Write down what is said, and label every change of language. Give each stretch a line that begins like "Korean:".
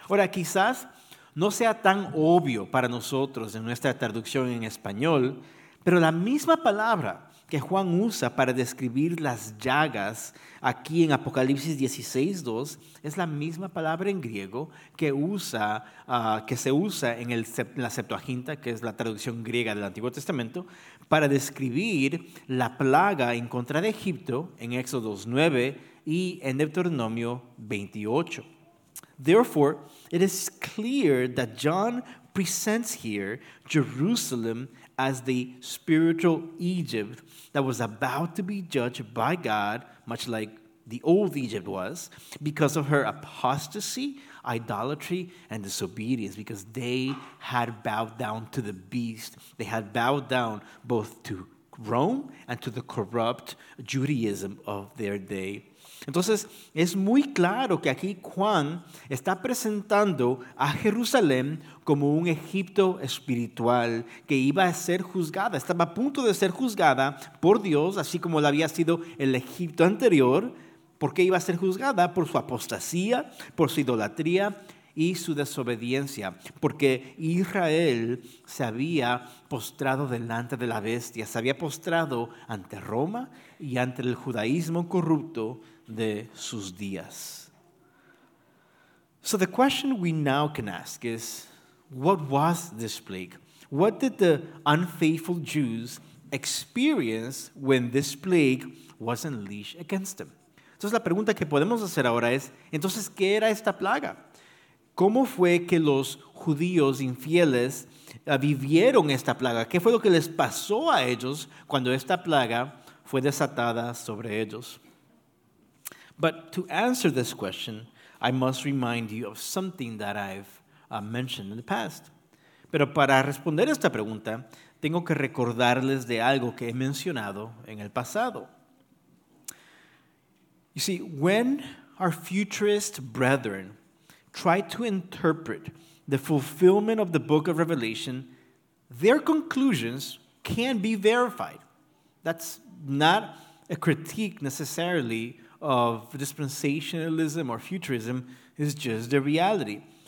Spanish: Ahora, quizás no sea tan obvio para nosotros en nuestra traducción en español, pero la misma palabra que Juan usa para describir las llagas aquí en Apocalipsis 16:2 es la misma palabra en griego que se usa en la Septuaginta, que es la traducción griega del Antiguo Testamento, para describir la plaga en contra de Egipto en Éxodos 9 y en Deuteronomio 28.
English: Therefore, it is clear that John presents here Jerusalem as the spiritual Egypt that was about to be judged by God, much like the old Egypt was, because of her apostasy, idolatry, and disobedience, because they had bowed down to the beast. They had bowed down both to Rome and to the corrupt Judaism of their day.
Spanish: Entonces, es muy claro que aquí Juan está presentando a Jerusalén como un Egipto espiritual que iba a ser juzgada, estaba a punto de ser juzgada por Dios, así como lo había sido el Egipto anterior, porque iba a ser juzgada por su apostasía, por su idolatría y su desobediencia, porque Israel se había postrado delante de la bestia, se había postrado ante Roma y ante el judaísmo corrupto de sus días.
English: So the question we now can ask is, what was this plague? What did the unfaithful Jews experience when this plague was unleashed against them?
Spanish: Entonces la pregunta que podemos hacer ahora es, entonces, ¿qué era esta plaga? ¿Cómo fue que los judíos infieles vivieron esta plaga? ¿Qué fue lo que les pasó a ellos cuando esta plaga fue desatada sobre ellos?
English: But to answer this question, I must remind you of something that I've mentioned in the past.
Spanish: Pero para responder esta pregunta, tengo que recordarles de algo que he mencionado en el pasado.
English: You see, when our futurist brethren try to interpret the fulfillment of the book of Revelation, their conclusions can be verified. That's not a critique necessarily of dispensationalism or futurism, it's just the reality.